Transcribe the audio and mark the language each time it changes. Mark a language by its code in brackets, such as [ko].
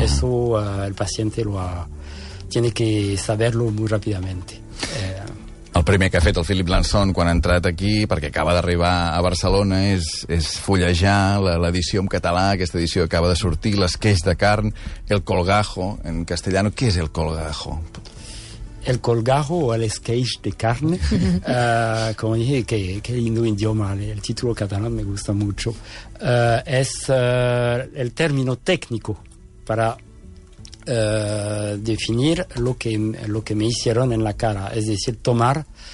[es] Eso el paciente tiene que saberlo muy rápidamente. [ca] El primer que ha fet el Philippe Lanson quan ha entrat aquí, perquè acaba d'arribar a Barcelona, és fullejar l'edició en català, aquesta edició que acaba de sortir, L'esqueix de carn, El colgajo, [es] en castellano. [ca] Què és El colgajo? [es] El colgajo o L'esqueix de carn, com dije, que lindo idioma, el título catalán me gusta mucho, es el término técnico para definir lo que me hicieron en la cara, es decir, tomar